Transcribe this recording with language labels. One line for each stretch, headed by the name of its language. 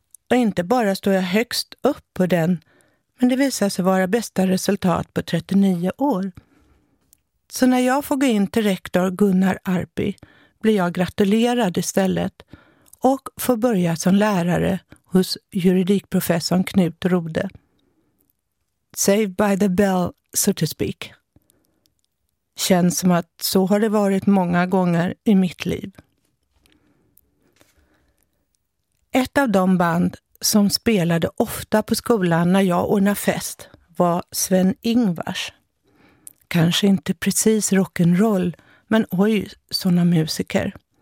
Swedish: Och inte bara står jag högst upp på den, men det visar sig vara bästa resultat på 39 år. Så när jag får gå in till rektor Gunnar Arpi blir jag gratulerad istället och får börja som lärare hos juridikprofessorn Knut Rode.
English: Saved by the bell, so to speak.
Swedish: Känns som att så har det varit många gånger i mitt liv. Ett av de band som spelade ofta på skolan när jag ordnade fest var Sven Ingvars. Kanske inte precis rock'n'roll, men oj, såna musiker.